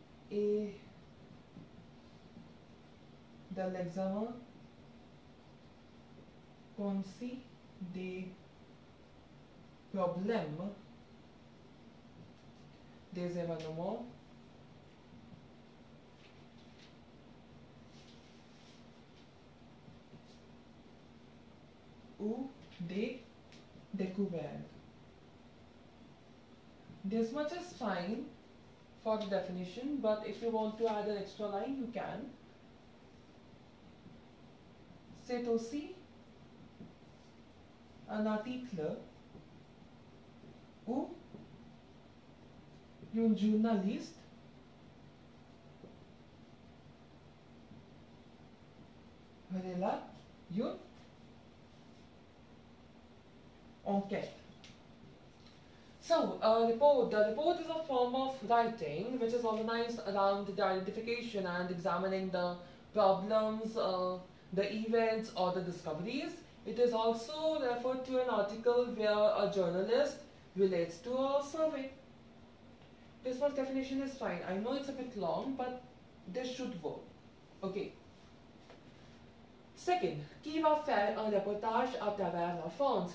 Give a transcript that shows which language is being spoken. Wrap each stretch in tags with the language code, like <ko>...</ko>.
<fr>et de l'examen concis des problèmes, des événements ou des découvertes.</fr> <en>This much is fine for the definition, but if you want to add an extra line, you can.</en> <fr>C'est aussi un article où un journaliste relate une enquête.</fr> <en>So, a report. The report is a form of writing which is organized around the identification and examining the problems, the events or the discoveries. It is also referred to an article where a journalist relates to a survey. This one's definition is fine. I know it's a bit long, but this should work. Okay.</en> <fr>Second, qui va faire un reportage à travers la France?</fr>